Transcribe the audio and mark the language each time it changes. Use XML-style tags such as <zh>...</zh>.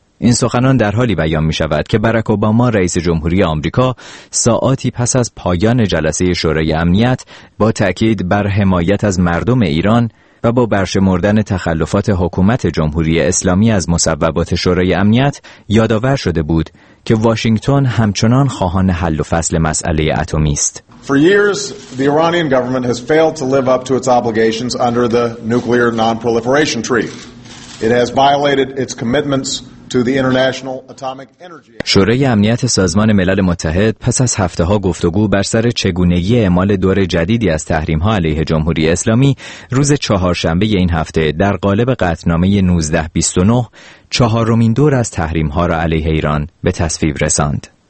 <fa>این سخنان در حالی بیان می شود که باراک اوباما رئیس جمهوری آمریکا ساعاتی پس از پایان جلسه شورای امنیت با تأکید بر حمایت از مردم ایران و با برشمردن تخلفات حکومت جمهوری اسلامی از مصوبات شورای امنیت یادآور شده بود که واشنگتن همچنان خواهان حل و فصل مسئله اتمی است.</fa> <en>For years, the Iranian government has failed to live up to its obligations under the nuclear non-proliferation treaty. It has violated its commitments to the International Atomic Energy.</en> <fa>شورای امنیت سازمان ملل متحد پس از هفته‌ها گفتگو بر سر چگونگی اعمال دور جدیدی از تحریم‌ها علیه جمهوری اسلامی، روز چهارشنبه این هفته در قالب قطعنامه 1929 چهارمین دور از تحریم‌ها را علیه ایران به تصویب رساند.</fa>